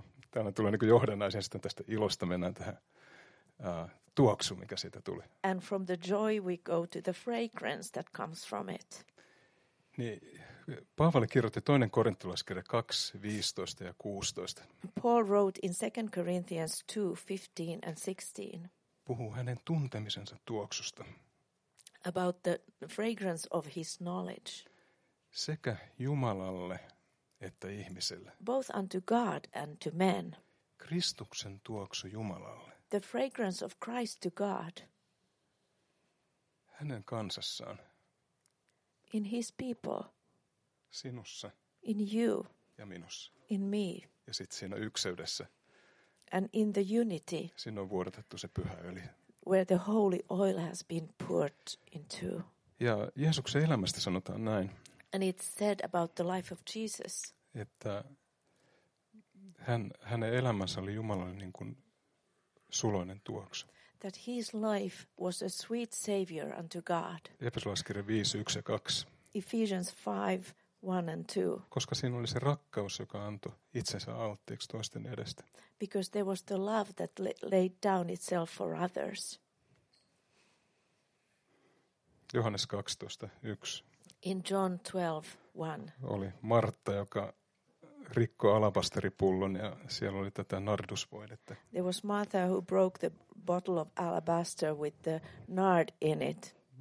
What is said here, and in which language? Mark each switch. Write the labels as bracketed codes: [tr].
[fi] Täällä tulee niin kuin johdannaisen, sitten tästä ilosta mennään tähän tuoksu, mikä siitä tuli. [en] And from the joy we go to the fragrance that comes from it. [fi] Niin, Paavali kirjoitti toinen korinttilaiskirja 2, 15 ja 16. [en] Paul wrote in 2 Corinthians 2, 15 and 16. [fi] Puhuu hänen tuntemisensa tuoksusta. [en] About the fragrance of his knowledge. [fi] Sekä Jumalalle että ihmiselle. [en] Both unto God and to men. [fi] Kristuksen tuoksu Jumalalle. [en] The fragrance of Christ to God. [fi] Hänen kansassaan. [en] In his people. [fi] Sinussa. [en] In you. [fi] Ja minussa. [en] In me. [fi] Ja sitten siinä ykseydessä. [en] And in the unity. [fi] Siinä on vuodatettu se pyhä öljy. [en] Where the holy oil has been poured into. [fi] Ja Jeesuksen elämästä sanotaan näin. [en] And it said about the life of Jesus. [fi] Että hänen elämänsä oli Jumalalle niin kuin suloinen tuoksu. [en] That his life was a sweet savior unto God. [fi] Efesolaiskirja 5, 1 ja 2. [en] Ephesians 5, 1 and 2. [fi] Koska siinä oli se rakkaus, joka antoi itsensä alttiiksi toisten edestä. [en] Because there was the love that laid down itself for others. [fi] Johannes 12:1. [en] In John 12:1. [fi] Oli Martta, joka rikkoi alabasteripullon ja siellä oli tätä nardusvoidetta. [en] There was Martha who broke the bottle of alabaster with the nard in it.